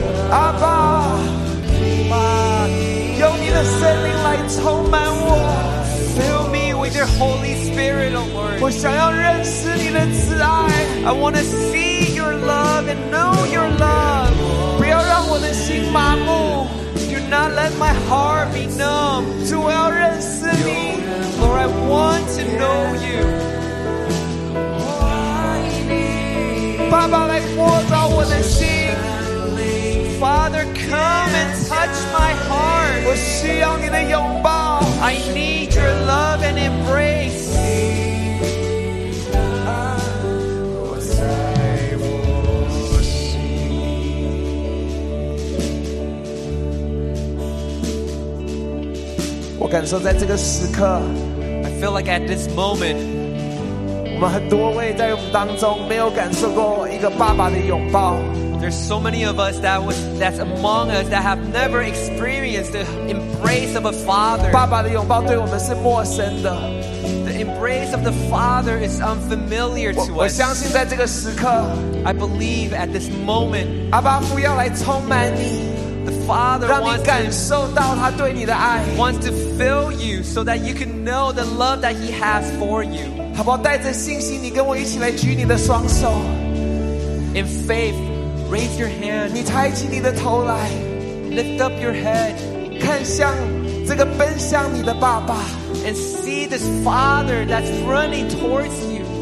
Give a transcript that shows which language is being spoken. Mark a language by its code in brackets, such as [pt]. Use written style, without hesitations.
[zh] 阿爸，爸，用你的圣灵来充满我。 [en] Fill me with your Holy Spirit, O Lord. [zh] 我想要认识你的慈爱。 [en] I want to see your love and know your love. [zh] 不要让我的心麻木。 [en] Do not let my heart be numb. [zh] 主，我要认识你。 [en] Lord, I want to know you. [zh] 爸爸来摸着我的心 [en] Father come and touch my heart [zh] 我需要你的拥抱 [en] I need your love and embrace [zh] 我在我心我感受在这个时刻 [en] I feel like at this moment [zh] 我们很多位在我们当中没有感受过一个爸爸的拥抱 [en] There's so many of us that's among us that have never experienced the embrace of a father [zh] 爸爸的拥抱对我们是陌生的 [en] The embrace of the father is unfamiliar to us [zh] 我相信在这个时刻 [en] I believe at this moment [zh] 阿爸父要来充满你让你感受到他对你的爱 [en] wants to fill you so that you can know the love that he has for you [zh] 好不好带着信心你跟我一起来举你的双手 [en] in faith raise your hand [zh] 你抬起你的头来 [en] lift up your head [zh] 看向这个奔向你的爸爸 [en] and see this father that's running towards you